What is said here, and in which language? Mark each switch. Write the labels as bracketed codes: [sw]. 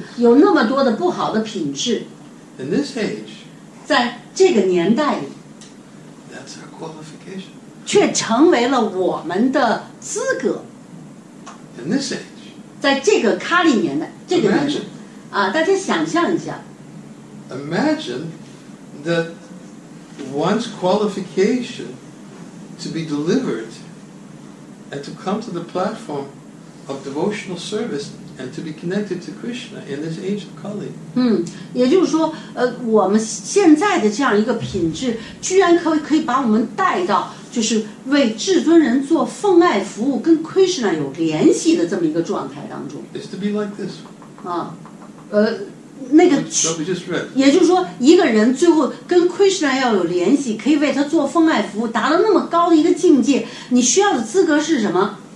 [zh] 有那么多的不好的品质。 [en] In this age. [zh] 在这个年代里。 [en] That's our qualification. [zh] 却成为了我们的资格。 [en] In this age. [zh] 在这个卡利年代，这个年代。啊，大家想象一下。 [en] Imagine that one's qualification to be delivered and to come to the platform of devotional service and to be connected to Krishna in this age of Kali. [zh] 嗯，也就是说，我们现在的这样一个品质，居然可以把我们带到就是为至尊人做奉爱服务，跟 Krishna 有联系的这么一个状态当中。 [en] It's to be like this. [zh] 啊，那个，也就是说，一个人最后跟 Krishna 要有联系，可以为他做奉爱服务，达到那么高的一个境界，你需要的资格是什么？